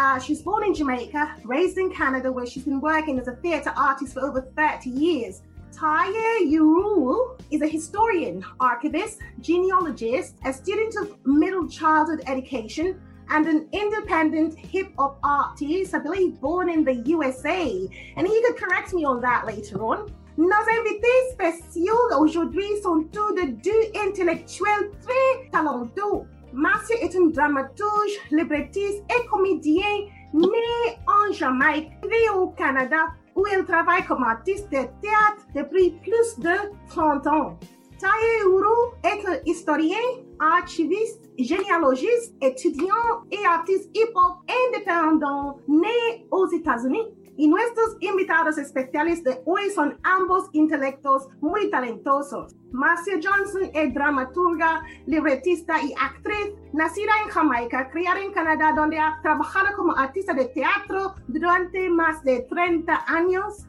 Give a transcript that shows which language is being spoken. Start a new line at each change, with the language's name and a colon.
English: She's born in Jamaica, raised in Canada, where she's been working as a theatre artist for over 30 years. Taye is a historian, archivist, genealogist, a student of middle childhood education, and an independent hip-hop artist, I believe born in the USA. And he could correct me on that later on.
French: Nos invités spéciaux aujourd'hui sont tous de deux intellectuels très talentueux. Marcia est un dramaturge, librettiste et comédien né en Jamaïque, né au Canada, où il travaille comme artiste de théâtre depuis plus de 30 ans. Taye Uhuru est un historien, archiviste, généalogiste, étudiant et artiste hip-hop indépendant né aux États-Unis.
Spanish: Y nuestros invitados especiales de hoy son ambos intelectos muy talentosos. Marcia Johnson es dramaturga, libretista y actriz, nacida en Jamaica, criada en Canadá, donde ha trabajado como artista de teatro durante más de 30 años.